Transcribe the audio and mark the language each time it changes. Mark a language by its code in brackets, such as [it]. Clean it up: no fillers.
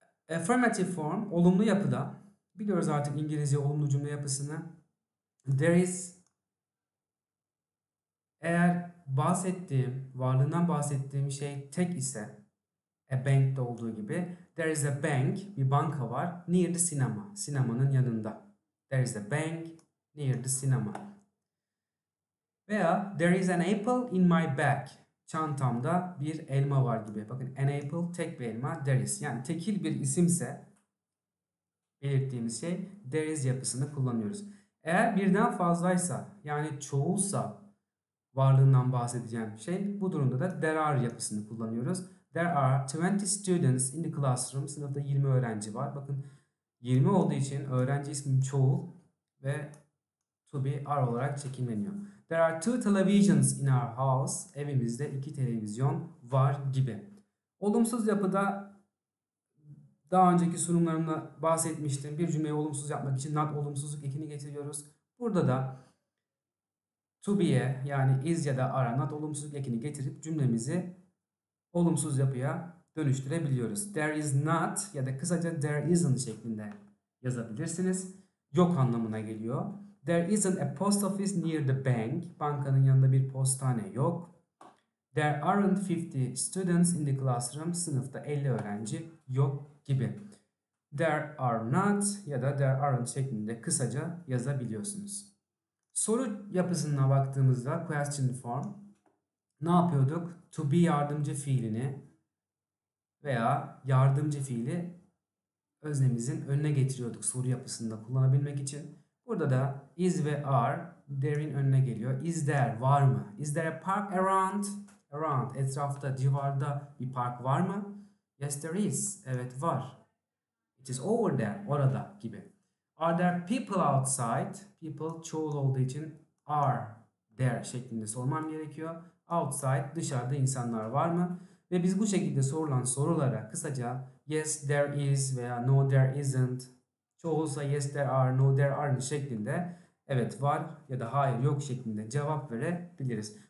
[tr] Affirmative form, olumlu yapıda. Biliyoruz artık İngilizce olumlu cümle yapısını. There is, eğer bahsettiğim, varlığından bahsettiğim şey tek ise, a bank de olduğu gibi, [en] there is a bank, [tr] bir banka var, [en] near the cinema, [tr] sinemanın yanında. [en] There is a bank, near the cinema. Veya there is an apple in my bag. [tr] Çantamda bir elma var gibi. Bakın an apple tek bir elma. [en] There is. [tr] Yani tekil bir isimse belirttiğimiz şey there is yapısını kullanıyoruz. Eğer birden fazlaysa yani çoğulsa varlığından bahsedeceğim şey bu durumda da there are yapısını kullanıyoruz. [en] There are 20 students in the classroom. [tr] Sınıfta 20 öğrenci var. Bakın 20 olduğu için öğrenci ismi çoğul ve to be are olarak çekimleniyor. [en] There are two televisions in our house. [tr] Evimizde iki televizyon var gibi. Olumsuz yapıda daha önceki sunumlarımda bahsetmiştim. Bir cümleyi olumsuz yapmak için not olumsuzluk ekini getiriyoruz. Burada da to be'ye yani is ya da are not olumsuzluk ekini getirip cümlemizi olumsuz yapıya dönüştürebiliyoruz. [en] There is not [tr] ya da kısaca [en] there isn't [tr] şeklinde yazabilirsiniz. Yok anlamına geliyor. [en] There isn't a post office near the bank. [tr] Bankanın yanında bir postane yok. [en] There aren't 50 students in the classroom. [tr] Sınıfta 50 öğrenci yok gibi. [en] There are not [tr] ya da [en] there aren't [tr] şeklinde kısaca yazabiliyorsunuz. Soru yapısına baktığımızda question form ne yapıyorduk? To be yardımcı fiilini veya yardımcı fiili öznemizin önüne getiriyorduk soru yapısında kullanabilmek için. Burada da is ve are there'in önüne geliyor. [en] Is there [tr] var mı? [en] Is there a park around? [tr] Around etrafta, civarda bir park var mı? [en] Yes there is. [tr] Evet var. [en] It is over there. [tr] Orada gibi. [en] Are there people outside? [tr] People çoğul olduğu için are there şeklinde sormam gerekiyor. Outside dışarıda insanlar var mı? Ve biz bu şekilde sorulan sorulara kısaca [en] yes there is [tr] veya [en] no there isn't [tr] çoğulsa [en] yes there are, no there aren't [tr] şeklinde evet var ya da hayır yok şeklinde cevap verebiliriz.